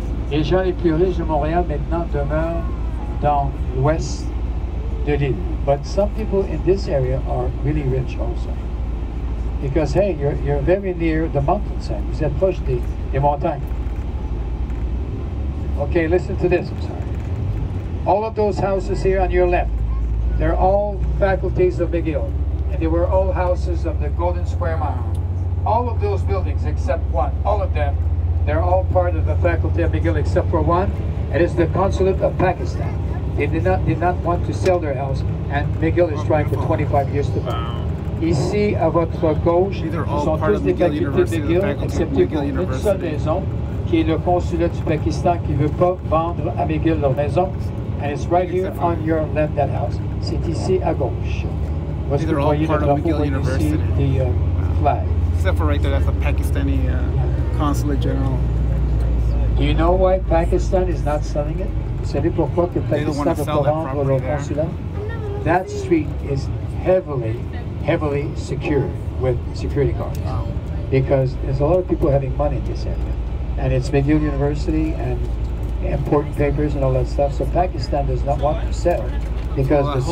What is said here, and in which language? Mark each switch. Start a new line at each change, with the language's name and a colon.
French: Les gens les plus riches de Montréal maintenant demeurent dans l'ouest de l'île.
English: But some people in this area are really rich also. Because, hey, you're very near the mountains, hein?
French: Vous êtes proche des montagnes.
English: Okay, listen to this, I'm sorry. All of those houses here on your left, they're all faculties of McGill, and they were all houses of the Golden Square Mile. All of those buildings, except one, all of them, they're all part of the faculty of McGill, except for one, and it's the Consulate of Pakistan. They did not want to sell their house, and McGill is trying for 25 years to buy.
French: Ici, à votre gauche, ils sont tous des facultés de McGill, excepté une seule maison, qui est le consulat du Pakistan qui ne veut pas vendre à McGill leur maison.
English: And it's right here on your left, that house.
French: C'est ici à gauche. Parce que vous voyez le drapeau, vous voyez ici
English: the flag. Except for right there, that's a Pakistani consulate general. Do you know why Pakistan is not selling it?
French: Vous savez pourquoi que Pakistan ne veut pas vendre leur consulat?
English: That street is heavily, heavily secured with security guards. Wow. Because there's a lot of people having money in this area. And it's McGill University and important papers and all that stuff. So Pakistan does not want to sell because the